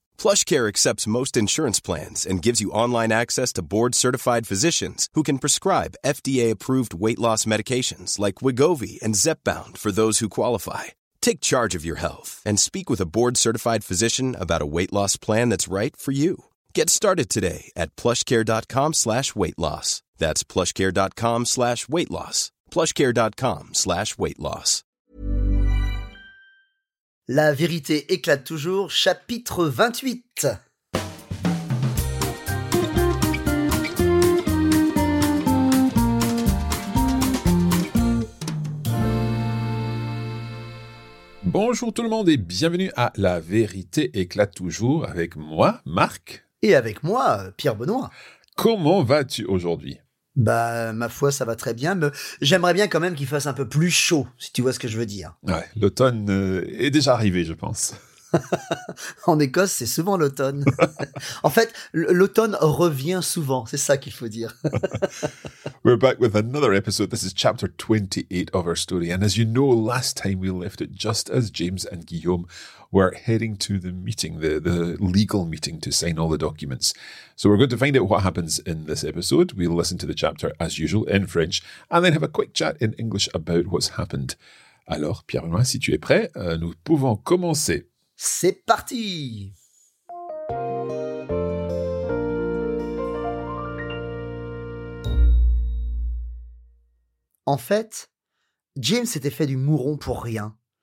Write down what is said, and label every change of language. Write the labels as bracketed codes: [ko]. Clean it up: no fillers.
[en] PlushCare accepts most insurance plans and gives you online access to board-certified physicians who can prescribe FDA-approved weight loss medications like Wegovy and Zepbound for those who qualify. Take charge of your health and speak with a board-certified physician about a weight loss plan that's right for you. Get started today at plushcare.com/weightloss. That's plushcare.com/weightloss. plushcare.com/weightloss. [fr] La vérité éclate toujours, chapitre 28. Bonjour tout le monde et bienvenue à La vérité éclate toujours avec moi, Marc. Et avec moi, Pierre Benoît. Comment vas-tu aujourd'hui ? Bah, ma foi, ça va très bien, mais j'aimerais bien quand même qu'il fasse un peu plus chaud, si tu vois ce que je veux dire. Ouais, l'automne est déjà arrivé, je pense. En Écosse, c'est souvent l'automne. En fait, l'automne revient souvent, c'est ça qu'il faut dire. [en] We're back with another episode. This is chapter 28 of our story. And as you know, last time we left it just as James and Guillaume were heading to the meeting, the legal meeting to sign all the documents. So we're going to find out what happens in this episode. We'll listen to the chapter as usual in French and then have a quick chat in English about what's happened. [fr] Alors, Pierre-Benoît, si tu es prêt, nous pouvons commencer. C'est parti! En fait, James s'était fait du mouron pour rien.